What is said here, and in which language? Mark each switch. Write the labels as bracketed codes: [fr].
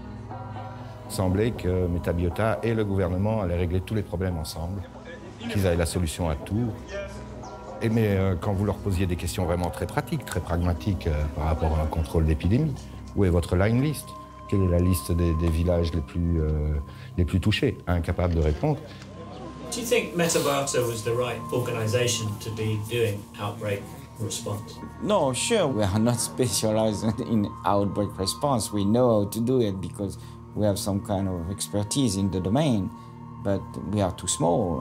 [en] It seemed that Metabiota and the government would solve all the problems together, that they had the solution to everything. But when you asked them questions really very practical, very pragmatic, about the control of the epidemic, where is your line list? [fr] Quelle est la liste des villages les plus touchés, incapables de répondre? [en] Do you think Metabiota was the right organization to be doing outbreak response? No, sure, we are not specialized in outbreak response. We know how to do it because we have some kind of expertise in the domain, but we are too small.